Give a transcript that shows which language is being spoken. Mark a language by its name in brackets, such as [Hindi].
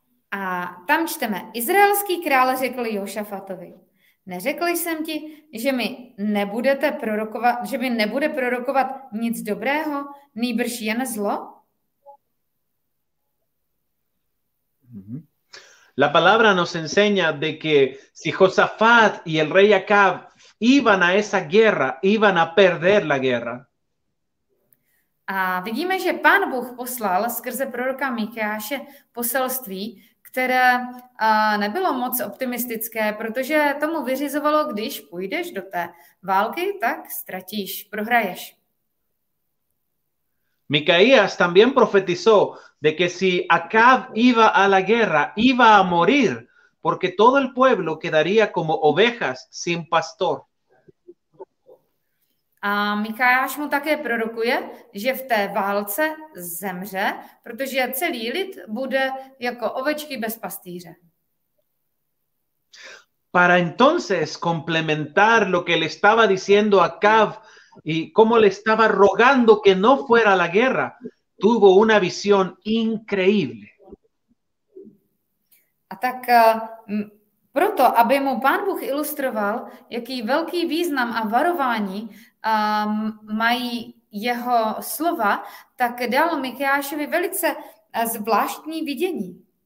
[Czech] A tam čteme. Izraelský král řekl Jošafatovi. Neřekl jsem ti, že mi nebudete prorokovat, že mi nebude prorokovat nic dobrého, nýbrž jen zlo? [Spanish] La palabra nos enseña de que si Josafat y el rey Acab iban a esa guerra, iban a perder la guerra. [Czech] A vidíme, že Pán Bůh poslal skrze proroka Mikáše poselství, které nebylo moc optimistické, protože tomu vyřizovalo, když půjdeš do té války, tak ztratíš, prohraješ. [Spanish] Micaías también profetizó de que si Acab iba a la guerra, iba a morir, porque todo el pueblo quedaría como ovejas sin pastor. [Czech] A Micaiáš mu také prorokuje, že v té válce zemře, protože celý lid bude jako ovečky bez pastýře. [Spanish] Para entonces complementar lo que le estaba diciendo Acab y cómo le estaba rogando que no fuera a la guerra, tuvo una visión increíble. [Czech] A tak proto, aby mu Pán Bůh ilustroval, jaký velký význam a varování mají jeho slova, tak dal Mikášovi velice zvláštní vidění.